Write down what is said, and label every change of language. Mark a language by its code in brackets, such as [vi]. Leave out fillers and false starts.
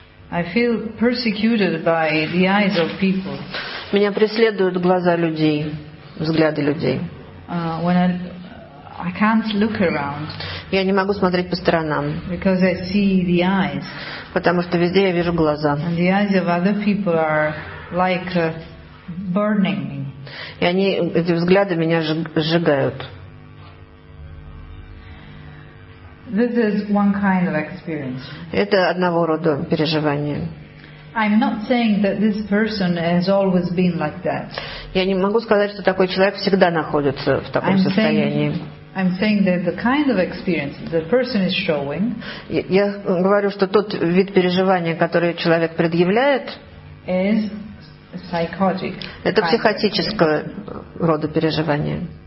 [en] I feel persecuted by the eyes of people. [ru] Меня преследуют глаза людей, взгляды людей. [en] When I can't look around. [ru] Я не могу смотреть по сторонам. [en] Because I see the eyes. [ru] Потому что везде я вижу глаза. [en] And the eyes of other people are like burning me. [ru] И они, эти взгляды меня сжигают. [en] This is one kind of experience. [ru] Это одного рода переживание. [en] I'm not saying that this person has always been like that. [ru] Я не могу сказать, что такой человек всегда находится в таком состоянии. [en] I'm saying that the kind of experience the person is showing. [ru] Я говорю, что тот вид переживания, который человек предъявляет, [en] is psychotic. [ru] Это психотического рода переживание.